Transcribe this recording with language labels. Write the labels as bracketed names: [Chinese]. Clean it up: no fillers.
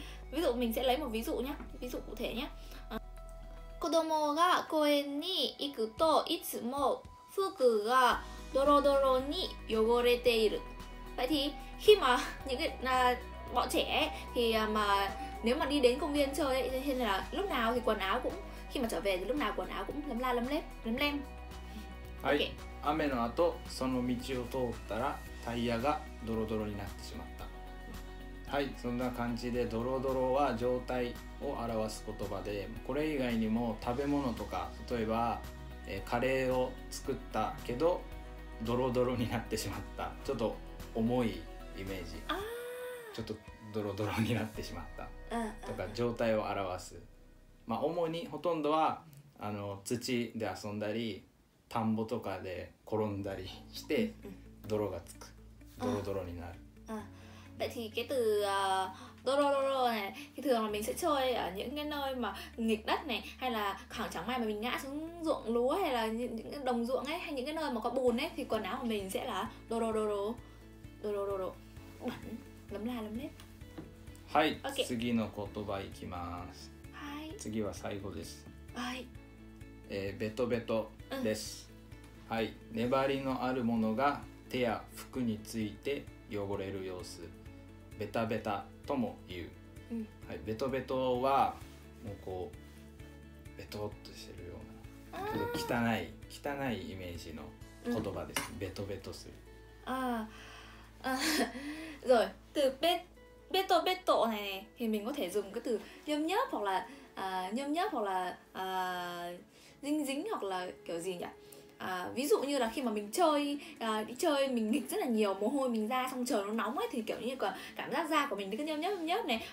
[Vietnamese] Ví dụ mình sẽ lấy một ví dụ nhé, ví dụ cụ thể nhé. [Japanese] Kodomo ga koen ni iku to itsumo fuku gaドロドロに汚れている。 [Vietnamese] Vậy thì khi mà những cái bọn trẻ ấy, thì mà nếu mà đi đến công viên chơi ấy, thì là lúc nào thì quần áo cũng khi mà trở về thì lúc nào quần áo cũng lấm la lấm lép lấm lem. [Japanese] はい。Okay. 雨の後その道を通ったらタイヤがドロドロになってしまった。はい、そんな感じでドロドロは状態を表す言葉で、これ以外にも食べ物とか例えばカレーを作ったけどドロドロになってしまった、ちょっと重いイメージ、ちょっとドロドロになってしまったとか状態を表す、まあ主にほとんどはあの土で遊んだり田んぼとかで転んだりして泥がつく、ドロドロになる。 [Vietnamese] Vậy thì cái từ dorororo này thì thường là mình sẽ chơi ở những cái nơi mà nghịch đất này, hay là khoảng chẳng may mà mình ngã xuống ruộng lúa hay là những cái đồng ruộng ấy, hay những cái nơi mà có bùn ấy, thì quần áo của mình sẽ là dorororo, dorororo, bẩn, lấm la lấm lét. [Japanese] はい、okay. 次の言葉いきます。はい、次は最後です。はい、ベトベトです、はい、粘りのあるものが手や服について汚れる様子、ベタベタとも言う、はい、ベトベトはもうこうベトっとしてるような、汚い汚いイメージの言葉です、ベトベトする。 [Vietnamese] ああ、rồi từ ベトベト này thì mình có thể dùng cái từ nhơm nhớp hoặc là nhơm nhớp hoặc là dính dính hoặc là kiểu gì nhỉ。 Ví dụ như là khi mà mình chơi, đi chơi mình nghịch rất là nhiều, mồ hôi mình ra xong trời nó nóng ấy, thì kiểu như cảm giác da của mình cứ nhớp nhớp này.